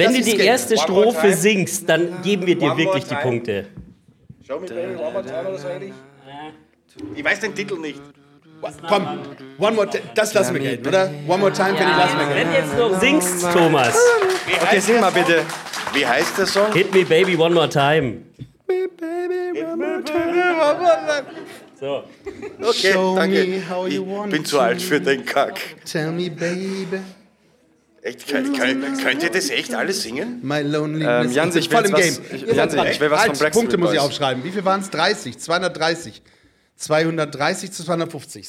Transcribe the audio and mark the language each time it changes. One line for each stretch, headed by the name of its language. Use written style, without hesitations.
German: also, wenn du die erste Strophe singst, dann geben wir dir wirklich die Punkte.
English: Show me baby, one more time
German: oder so ähnlich. Ich weiß den Titel nicht. Komm, one more time, das lassen wir gehen, oder? One more time, kann ich lassen wir gehen. Wenn du jetzt noch singst, Thomas. Okay, sing mal bitte. Wie heißt der Song?
English: Hit me baby one more time. Hit me baby one more time.
German: So. Okay, danke. Ich bin zu alt für den Kack.
English: Tell me baby.
German: Echt, könnt ihr das echt alles singen?
English: My loneliness. Jansi,
German: ich will was vom Brexit. Punkte muss ich aufschreiben. Wie viel waren es? 30, 230. 230 zu 250.